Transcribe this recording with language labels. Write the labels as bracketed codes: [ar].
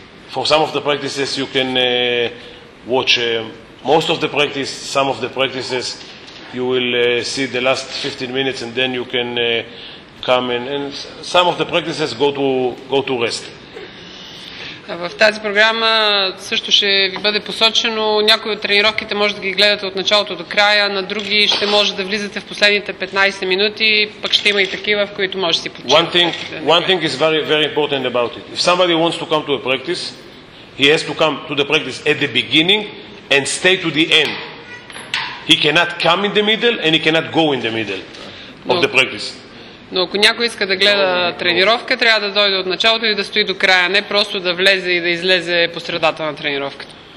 [en] For some of the practices, you can watch most of the practice. Some of the practices. You will see the last 15 minutes and then you can come and some of the practices go to rest. [bg] В тази програма също ще ви бъде посочено. Някои от тренировките може да ги гледате от началото до края, на други ще може да влизате в последните 15 минути, пък ще има и такива, в които може да си почивате. [en] One thing is very, very important about it. If somebody wants to come to a practice, he has to come to the practice at the beginning and stay to the end. He cannot come in the middle and he cannot go in the middle of the practice. [bg] Но ако някой иска да гледа тренировка, трябва да дойде от началото и да стои до края, не просто да влезе и да излезе по средата на тренировката.